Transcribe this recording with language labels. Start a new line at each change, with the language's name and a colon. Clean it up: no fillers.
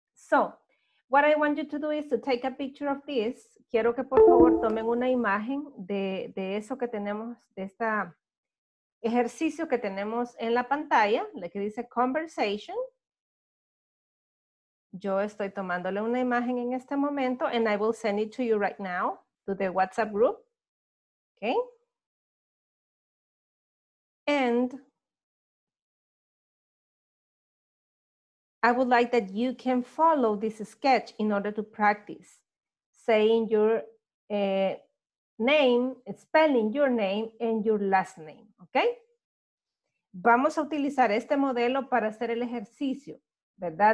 English: So, what I want you to do is to take a picture of this.
Spanish: Quiero que por favor tomen una imagen de eso que tenemos, de este ejercicio que tenemos en la pantalla, la que dice conversation. Yo estoy tomándole una imagen en este momento,
English: and I will send it to you right now to the WhatsApp group. Okay? And I would like that you can follow this sketch in order to practice saying your name, spelling your name and your last name, okay?
Spanish: Vamos a utilizar este modelo para hacer el ejercicio, ¿verdad?